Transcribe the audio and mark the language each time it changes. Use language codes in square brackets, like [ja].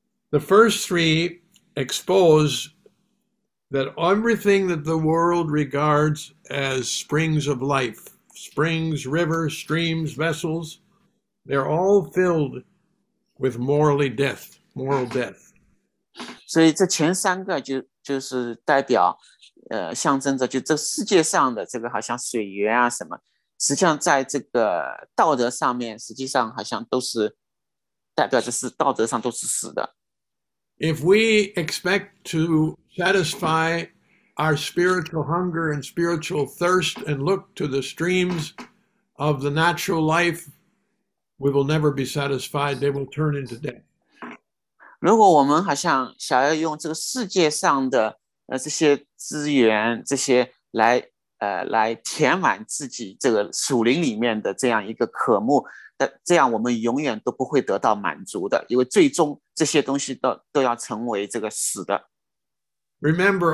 [en] The first three expose that everything that the world regards as springs of life, springs, rivers, streams, vessels, they're all filled with morally death, moral death. [zh] 所以这前三个就是代表 象征着就这世界上的这个好像水源啊什么，实际上在这个道德上面，实际上好像都是代表着是道德上都是死的。 [en] If we expect to satisfy our spiritual hunger and spiritual thirst and look to the streams of the natural life, we will never be satisfied. They will turn into death. [zh] 如果我们好像想要用这个世界上的 这些资源，这些来填满自己这个属灵里面的这样一个渴慕，但这样我们永远都不会得到满足的，因为最终这些东西都要成为这个死的。 [en] Remember,